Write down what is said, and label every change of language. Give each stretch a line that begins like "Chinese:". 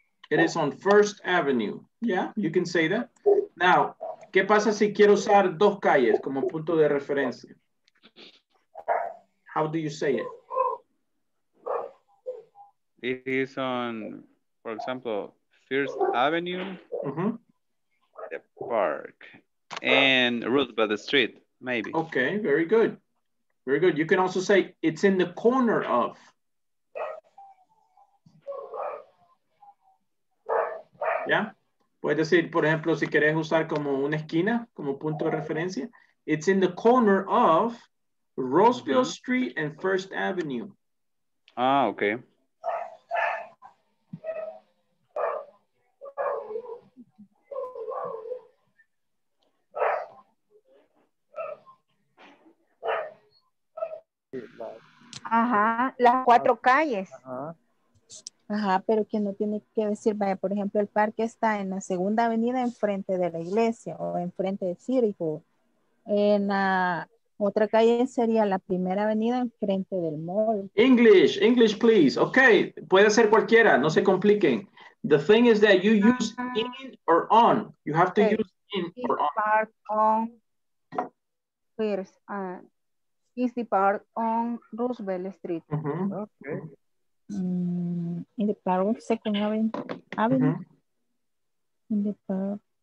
English: It is on 1st Avenue. Yeah, you can say that. Now,
Spanish: ¿Qué pasa si quiero usar dos calles como punto de referencia?
English: How do you say it? It is on, for example, First Avenue, the park, and Roosevelt Street, maybe. Okay, very good. Very good. You can also say it's in the corner of. Yeah?
Spanish: Puedes decir, por ejemplo, si quieres usar como una esquina, como punto de referencia.
English: It's in the corner of Roosevelt Street and First Avenue. Ah, okay.
Spanish: Ajá, las cuatro calles. Ajá, pero que no tiene que decir, vaya, por ejemplo, el parque está en la segunda avenida enfrente de la iglesia o enfrente de Circo. En la otra calle sería la primera avenida enfrente del mall.
English: English, English, please.
Spanish: Okay, puede ser cualquiera, no se compliquen.
English: The thing is that you use in or on. You have to use in or on. Park on first. Is the park on Roosevelt Street? Okay. In the park on Second Avenue. In the park.